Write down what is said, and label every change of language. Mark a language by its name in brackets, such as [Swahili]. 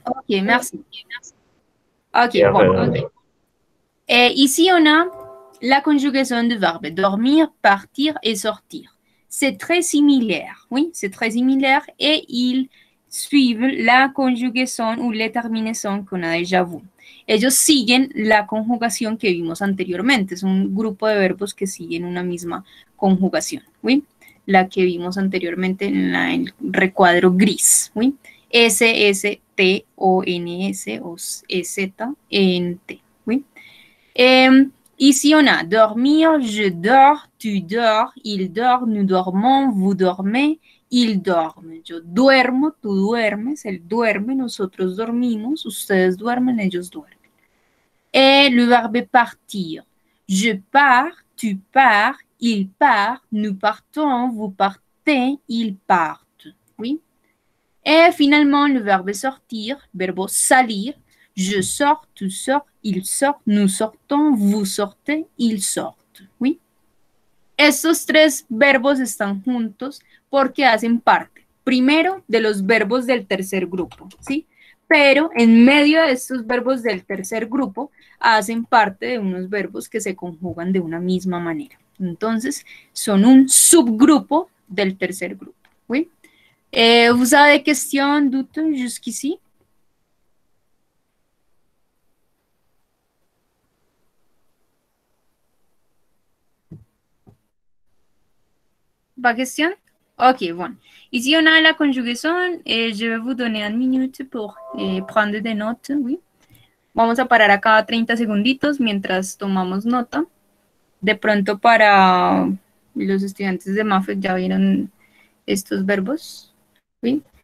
[French] Ok, merci. Ok, bon. Okay. Et ici, on a la conjugaison du verbe dormir, partir et sortir. C'est très similaire, oui? C'est très similaire et ils suivent la conjugaison ou la terminaison qu'on a déjà vu. [Spanish] Ellos siguen la conjugación que vimos anteriormente. Es un grupo de verbos que siguen una misma conjugación. ¿Sí? La que vimos anteriormente en el recuadro gris. ¿Sí? S, S, T, O, N, S, O, E, Z, E, N, T. ¿Sí? [French] Ici, on a dormir, je dors, tu dors, il dort, nous dormons, vous dormez, il dorme. [Spanish] Yo duermo, tú duermes, él duerme, nosotros dormimos, ustedes duermen, ellos duermen. [French] Et le verbe partir. Je pars, tu pars, il part, nous partons, vous partez, ils partent. Oui? Et finalement, le verbe sortir, verbe salir. Je sors, tu sors, il sort, nous sortons, vous sortez, ils sortent. Oui? [Spanish] Estos tres verbos están juntos porque hacen parte, primero, de los verbos del tercer grupo, ¿sí? Pero en medio de estos verbos del tercer grupo, hacen parte de unos verbos que se conjugan de una misma manera. Entonces, son un subgrupo del tercer grupo, ¿sí? [French] ¿Vous avez des questions, doutes, jusqu'ici? ¿Va question? Ok, [Spanish] bueno. [French] Y si on a la conjugación, je vais vous donner un minute pour prendre des notes, oui. [Spanish] Vamos a parar acá 30 segunditos mientras tomamos nota. De pronto para los estudiantes de MAFE ya vieron estos verbos, oui.